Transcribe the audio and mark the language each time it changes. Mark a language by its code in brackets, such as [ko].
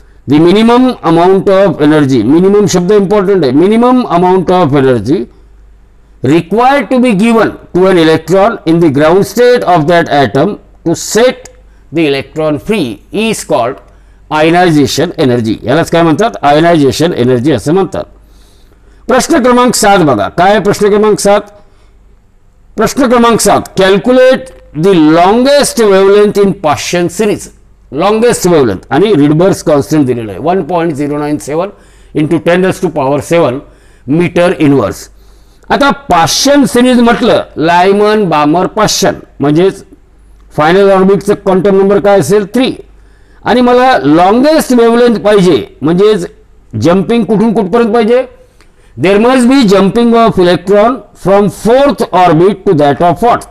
[en] The minimum amount of energy, minimum शब्द important आहे. Minimum amount of energy required to be given to an electron in the ground state of that atom to set the electron free is called ionisation energy. [mr] यालाच काय म्हणतात? Ionization energy असं म्हणतात. प्रश्न क्रमांक 7 बघा. काय प्रश्न क्रमांक 7? प्रश्न क्रमांक 7, [en] Calculate the longest wavelength in Paschen series. [mr] Longest wavelength आणि रिडबर्ग्स कॉन्स्टंट दिलेलं आहे, 1.097 इंटू 10^7 मीटर इनवर्स. आता पाश्चन सिरीज म्हटलं लायमन बामर पाश्चन, म्हणजेच फायनल ऑर्बिटचं क्वांटम नंबर काय असेल? 3. आणि मला लॉंगेस्ट वेवलेंथ पाहिजे, म्हणजेच जम्पिंग कुठून कुठपर्यंत पाहिजे? [en] There must be jumping of electron from fourth orbit to that of what?